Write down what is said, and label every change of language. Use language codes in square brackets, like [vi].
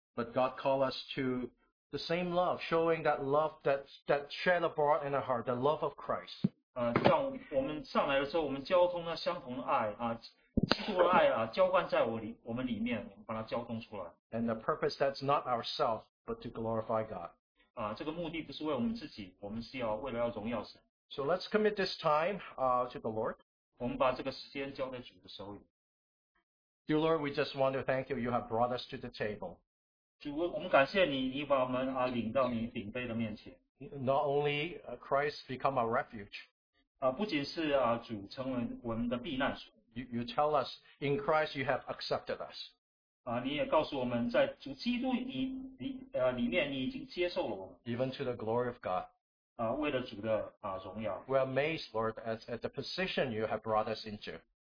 [en] But God called us to the same love, showing that love that shed abroad in our heart, the love of Christ. [zh] 让我们上来的时候，我们交通那相同的爱，基督的爱，浇灌在我们里面，我们把它交通出来。 [en] And the purpose that's not ourselves, but to glorify God. [zh] 这个目的不是为我们自己，我们是要为了要荣耀神。 [en] So let's commit this time to the Lord. [zh] 我们把这个时间交在主的手里。 [en] Dear Lord, we just want to thank you. You have brought us to the table. [zh] 主，我们感谢你，你把我们领到你顶杯的面前。 [en] Not only Christ become our refuge. [zh] 不仅是主成为我们的避难所。 [en] You tell us in Christ you have accepted us. [zh] 你也告诉我们在主基督里面你已经接受了我们。 [en] Even to the glory of God. [zh] 为了主的荣耀。 [en] We are amazed, Lord, at the position you have brought us into.